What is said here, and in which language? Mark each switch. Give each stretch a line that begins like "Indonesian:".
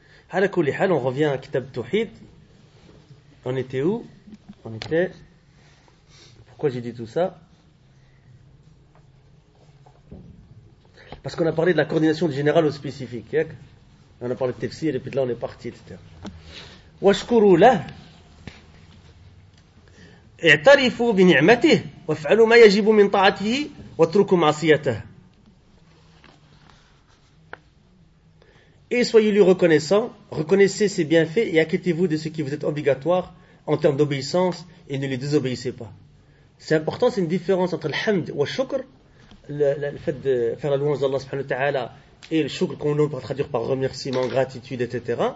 French: Halakoulihal, on revient à Kitab Tawhid. On était où? On était... Pourquoi j'ai dit tout ça? Parce qu'on a parlé de la coordination du général au spécifique. On a parlé de Tefsir et puis de là, on est parti, etc.
Arabic: Washkuru lah. اعترفوا بنعمته وافعلوا ما يجب من طاعته واتركوا معصيته.
French: Et soyez lui reconnaissant, reconnaissez ses bienfaits et acquittez-vous de ce qui vous est obligatoire en termes d'obéissance et ne les désobéissez pas. C'est important, c'est une différence entre le hamd et le shukr, le fait de faire la louange d'Allah subhanahu wa ta'ala et le shukr qu'on peut traduire par remerciement, gratitude, etc.